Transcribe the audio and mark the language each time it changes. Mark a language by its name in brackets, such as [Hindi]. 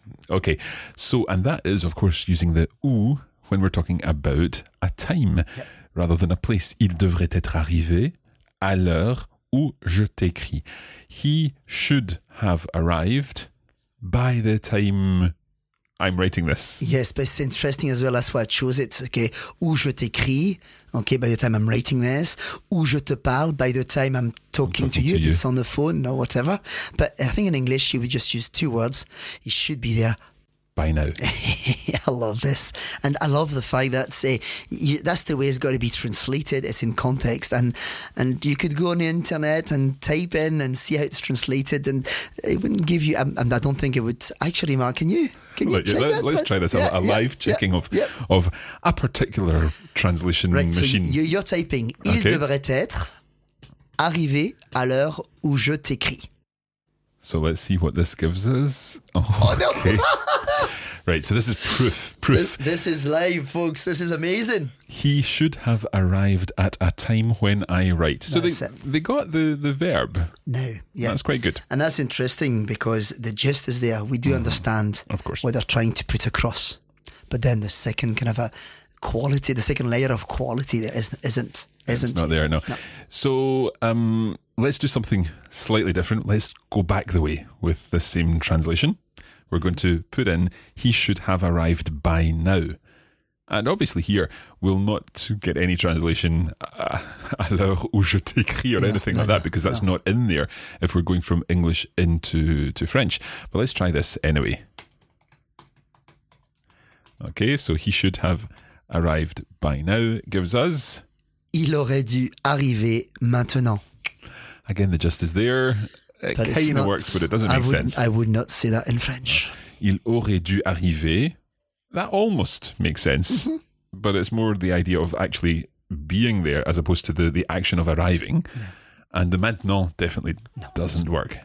[English] Okay, so, and that is, of course, using the ou when we're talking about a time, yep, rather than a place. [French] Il devrait être arrivé à l'heure où je t'écris. [English] He should have arrived by the time I'm writing this. Yes, but it's interesting as well. That's why I chose it. Okay, [French] où je t'écris. [English] Okay, by the time I'm writing this. [French] Où je te parle. [English] By the time I'm talking to you. To you. If it's on the phone or whatever. But I think in English, you would just use two words. It should be there. By now. I love this. And I love the fact that, that's the way it's got to be translated. It's in context. And you could go on the internet and type in and see how it's translated. And it wouldn't give you, and I don't think it would actually, Mark, can you? Let's try this, a live checking of a particular translation right, machine. So you're typing, okay. [French] Il devrait être arrivé à l'heure où je t'écris. [English] So let's see what this gives us. Oh, okay. No. Right, so this is proof. This is live, folks. This is amazing. He should have arrived at a time when I write. So they got the verb. No, yeah. That's quite good. And that's interesting because the gist is there. We do understand, of course, what they're trying to put across. But then the second kind of a quality, the second layer of quality there isn't. It's not there, no. So let's do something slightly different. Let's go back the way with the same translation. We're going to put in, he should have arrived by now. And obviously here, we'll not get any translation, [French] à l'heure où je t'écris [English] or anything like that, because that's not in there if we're going from English into French. But let's try this anyway. Okay, so he should have arrived by now gives us... [French] Il aurait dû arriver maintenant. [English] Again, the gist is there. It kind of works, but it doesn't make sense. I would not say that in French. [French] Il aurait dû arriver. [English] That almost makes sense, mm-hmm, but it's more the idea of actually being there as opposed to the action of arriving. Yeah. And the maintenant definitely doesn't work.